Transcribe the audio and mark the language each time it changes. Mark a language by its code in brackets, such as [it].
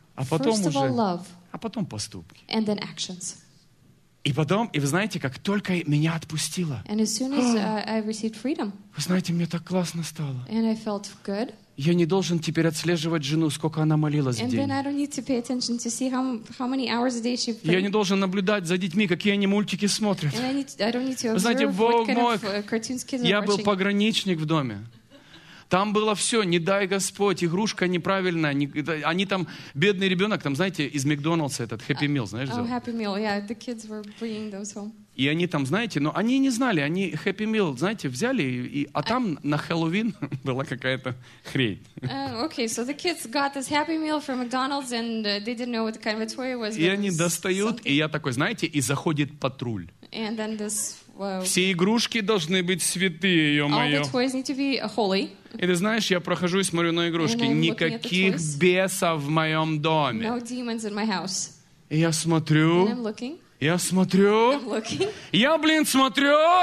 [ru] А потом уже... А потом поступки. [en] And then actions. [ru] И потом, и вы знаете, как только меня отпустило. [en] And as soon as I received freedom. [ru] Вы знаете, мне так классно стало. [en] And I felt good. [ru] Я не должен теперь отслеживать жену, сколько она молилась [en] and [ru] в день. [en] And then I don't need to pay attention to see how many hours a day she prayed. [ru] Я не должен наблюдать за детьми, какие они мультики смотрят. [en] And I don't need to observe what kind of cartoons kids are watching. [ru] Я был пограничник в доме. Там было все, не дай Господь, игрушка неправильная. Они там, бедный ребенок, там, знаете, из Макдоналдса этот, Happy Meal, знаешь? [en] Oh, Happy Meal, yeah, the kids were bringing those home. [ru] И они там, знаете, но они не знали, они Happy Meal, знаете, взяли, а там на Хэллоуин была какая-то хрень. [en] Okay, so the kids got this Happy Meal from McDonald's, and they didn't know what kind of a toy it was. [ru] И они достают, и я такой, знаете, и заходит патруль. [en] And then this, whoa. [ru] Все игрушки должны быть святые, ё-моё. [en] All the toys need to be holy. [ru] И ты знаешь, я прохожу и смотрю на игрушки. Никаких бесов в моем доме. [en] No demons in my house. [ru] И я смотрю. Я смотрю. Я, блин, смотрю.